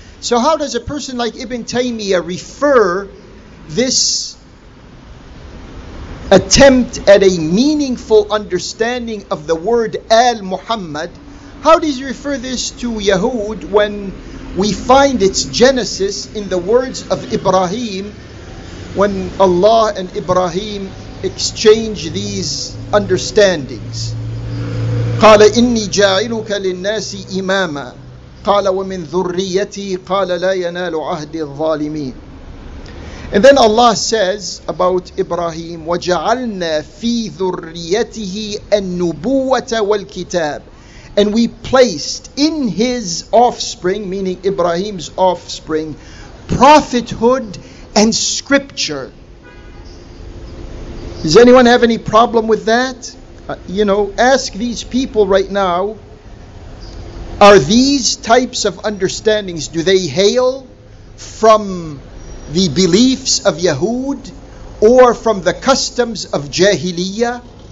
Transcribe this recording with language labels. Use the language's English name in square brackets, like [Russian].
[English] So how does a person like Ibn Taymiyyah refer this attempt at a meaningful understanding of the word Al-Muhammad? How does he refer this to Yahud when we find its genesis in the words of Ibrahim, when Allah and Ibrahim exchange these understandings? [Arabic] قال إني جاعلك للناس إماما قال ومن ذريتي قال لا ينال عهد الظالمين. [English] And then Allah says about Ibrahim, [Arabic] وجعلنا في ذريته النبوة والكتاب. [English] And we placed in his offspring, meaning Ibrahim's offspring, prophethood and scripture. Does anyone have any problem with that? You know, ask these people right now, are these types of understandings, do they hail from the beliefs of Yahud or from the customs of Jahiliyyah?